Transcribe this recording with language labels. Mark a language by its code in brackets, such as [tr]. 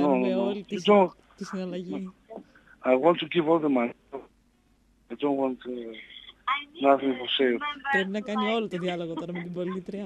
[el] Θα κάνουμε όλη τη συναλλαγή. [en] I want to keep all the money. I don't want nothing for sale. [el] Πρέπει να κάνει όλο το διάλογο τώρα με την πολίτρια.